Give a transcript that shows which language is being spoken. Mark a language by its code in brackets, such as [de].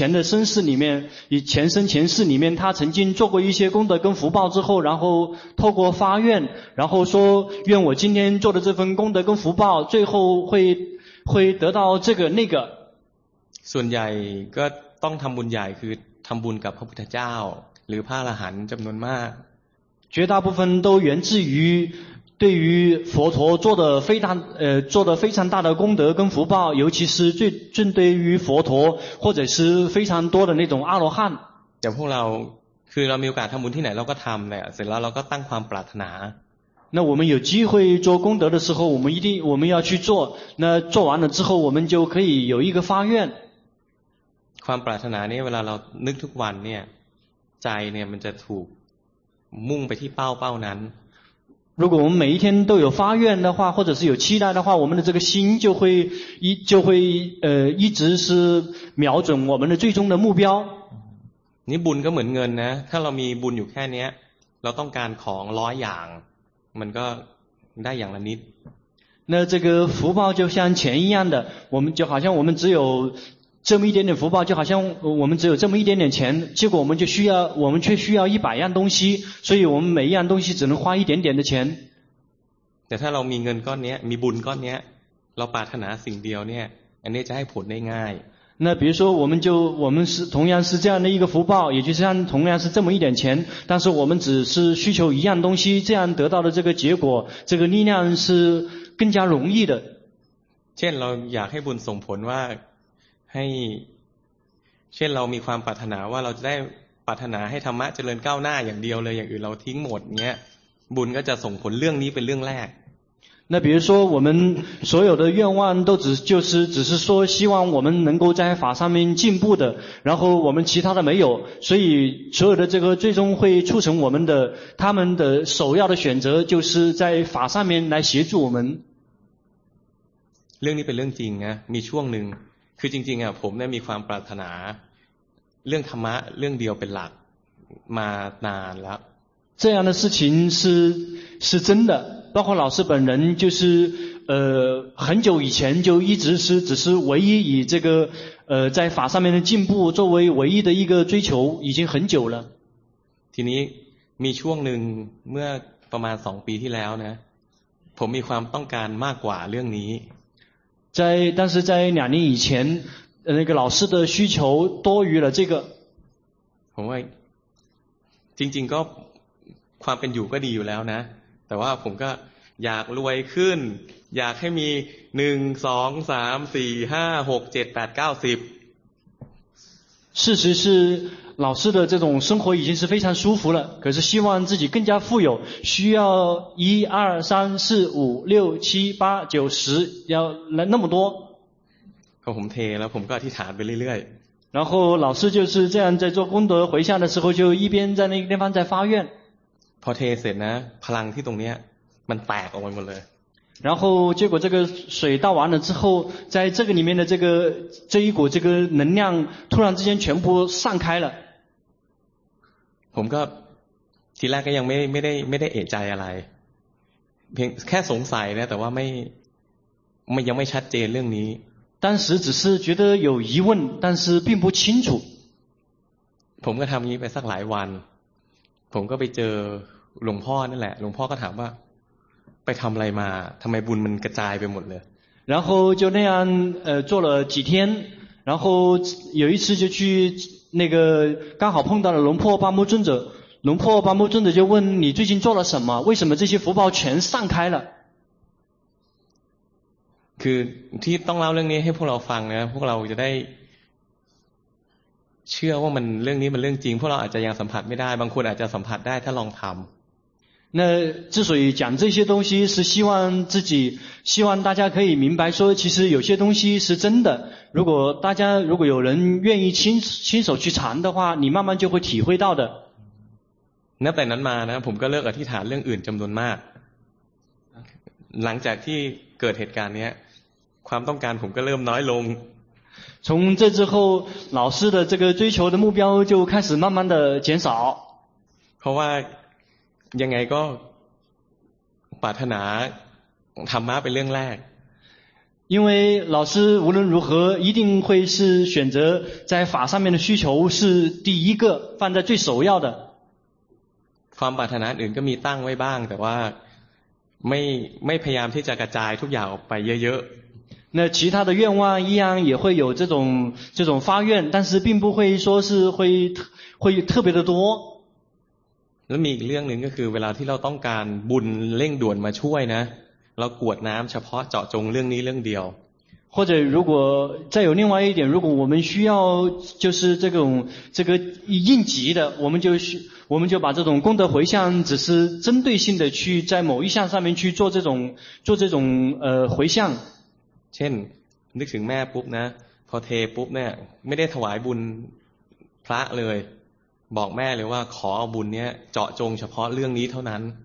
[zh] 生前世里面他曾经做过一些功德跟福报之后然后透过发愿然后说愿我今天做的这份功德跟福报最后会得到这个那个 [th] ส่วนใหญ่ก็ต้องทำบุญใหญ่คือทำบุญกับพระพุทธเจ้าหรือพระอรหันต์จำนวนมาก [zh] 绝大部分都源自于对于佛陀做的非常做的非常大的功德跟福报尤其是最针对于佛陀或者是非常多的那种阿罗汉 [th] แต่พวกเราคือเรามีโอกาสทำบุญที่ไหนเราก็ทำเนี่ยเสร็จแล้วเราก็ตั้งความปรารถนา [zh] 那我们有机会做功德的时候我们要去做那做完了之后我们就可以有一个发愿 [th] ความปรารถนาเนี่ยเวลาเรานึกทุกวันเนี่ยใจเนี่ยมันจะถูกมุ่งไปที่เป้านั้น [zh] 如果我们每一天都有发愿的话或者是有期待的话我们的这个心就会一直是瞄准我们的最终的目标 [th] นี่บุญก็เหมือนเงินนะถ้าเรามีบุญอยู่แค่นี้เราต้องการของ100อย่างมันก็ได้อย่างละนิด [zh] 那这个福报就像钱一样的我们就好像我们只有这么一点点福报就好像我们只有这么一点点钱结果我们却需要一百样东西所以我们每一样东西只能花一点点的钱 [th] แต่ถ้าเรามีเงินก้อนนี้มีบุญก้อนนี้เราปรารถนาสิ่งเดียวเนี่ย อันนี้จะให้ผลได้ง่าย [zh] 那比如说我们是同样是这样的一个福报也就像同样是这么一点钱但是我们只是需求一样东西这样得到的这个结果这个力量是更加容易的 [th] เช่นเราอยากให้บุญส่งผลว่าให้เช่นเรามีความปรารถนาว่าเราจะได้ปรารถนาให้ธรรมะเจริญก้าวหน้าอย่างเดียวเลยอย่างอื่นเราทิ้งหมดเนี้ยบุญก็จะส่งผลเรื่องนี้เป็นเรื่องแรก [zh] 那比如说我们所有的愿望都只是说希望我们能够在法上面进步的然后我们其他的没有所以所有的这个最终会促成我们的他们的首要的选择就是在法上面来协助我们 [th] เรื่องนี้เป็นเรื่องจริงนะมีช่วงหนึ่งคือจริงๆอ่ะผมเนี่ยมีความปรารถนาเรื่องธรรมะเรื่องเดียวเป็นหลักมานานแล้ว [zh] 这样的事情是真的包括老师本人就是很久以前就一直是只是唯一以这个在法上面的进步作为唯一的一个追求已经很久了 [th] ทีนี้มีช่วงหนึ่งเมื่อประมาณ2ปีที่แล้วนะผมมีความต้องการมากกว่าเรื่องนี้ [zh] 但是在两年以前那个老师的需求多余了这个 [th] ผมว่าจริงๆก็ความเป็นอยู่ก็ดีอยู่แล้วนะแต่ว่าผมก็อยากรวยขึ้นอยากให้มี1 2 3 4 5 6 7 8 9 10 [zh] 事实是老师的这种生活已经是非常舒服了可是希望自己更加富有需要一二三四五六七八九十要那么多 [th] ผมเทแล้วผมก็อธิษฐานไปเรื่อย [zh] 然后老师就是这样在做功德回向的时候就一边在那个地方在发愿 [th] พอเทเสร็จนะพลังที่ตรงนี้มันแตกออกไปหมดเลย [zh] 然后结果这个水倒完了之后在这个里面的这一股这个能量突然之间全部散开了 [th] ผมก็ทีแรกก็ยังไม่ได้เอะใจอะไรเพียงแค่สงสัยนะแต่ว่าไม่ยังไม่ชัดเจนเรื่องนี้ [zh] 当时只是觉得有疑问但是并不清楚 [th] ผมก็ทำงี้ไปสักหลายวันผมก็ไปเจอหลวงพ่อนั่นแหละหลวงพ่อก็ถามว่าไปทำอะไรมาทำไมบุญมันกระจายไปหมดเลย [zh] 然后就那样做了几天然后有一次就去那个刚好碰到了龙破八木尊者龙破八木尊者就问你最近做了什么为什么这些福报全散开了 [th] คือที่ต้องเล่าเรื่องนี้ให้พวกเราฟังนะพวกเราจะได้เชื่อว่ามันเรื่องนี้มันเรื่องจริงพวกเราอาจจะยังสัมผัสไม่ได้บางคนอาจจะสัมผัสได้ถ้าลองทำ [zh] 那之所以讲这些东西是希望大家可以明白说其实有些东西是真的如果有人愿意亲手去尝的话你慢慢就会体会到的 [th] 那แต่นั้นมานะผมก็เลิกอธิษฐานเรื่องอื่นจำนวนมากหลังจากที่เกิดเหตุการณ์นี้ความต้องการผมก็เริ่มน้อยลง [zh] 从这之后老师的这个追求的目标就开始慢慢的减少 [th] เพราะว่ายังไงก็ปรารถนาธรรมะเป็นเรื่องแรก [zh] 因为老师无论如何一定会是选择在法上面的需求是第一个放在最首要的 [th] ความปรารถนาอื่นก็มีตั้งไว้บ้างแต่ว่าไม่พยายามที่จะกระจายทุกอย่างออกไปเยอะ [zh] ๆ那其他的愿望一样也会有这种发愿但是并不会说是会特别的多 [th] แล้วมีอีกเรื่องหนึ่งก็คือเวลาที่เราต้องการบุญเร่งด่วนมาช่วยนะเรากวดน้ำเฉพาะเจาะจงเรื่องนี้เรื่องเดียว [zh] 或者如果再有另外一点如果我们需要就是这个应急的我们就把这种功德回向只是针对性的去在某一项上面去做这种回向 [th] เช่นนึกถึงแม่ปุ๊บนะพอเทปุ๊บเนี่ยไม่ได้ถวายบุญพระเลยบอกแม่เลยว่าขอเอาบุญเนี้ยเจาะจงเฉพาะเรื่องนี้เท่านั้น